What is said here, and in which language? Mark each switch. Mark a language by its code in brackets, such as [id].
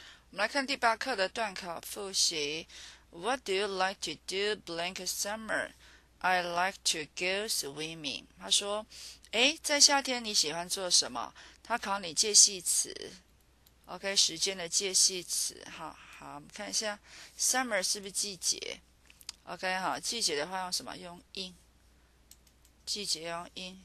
[zh] 我们来看第八课的段考复习。 [en] What do you like to do blank summer? I like to go swimming. [zh] 他说，诶，在夏天你喜欢做什么？他考你介系词。 OK, 时间的介系词。好，好，我们看一下 summer 是不是季节？ OK, 好，季节的话用什么？用 in。季节用 in。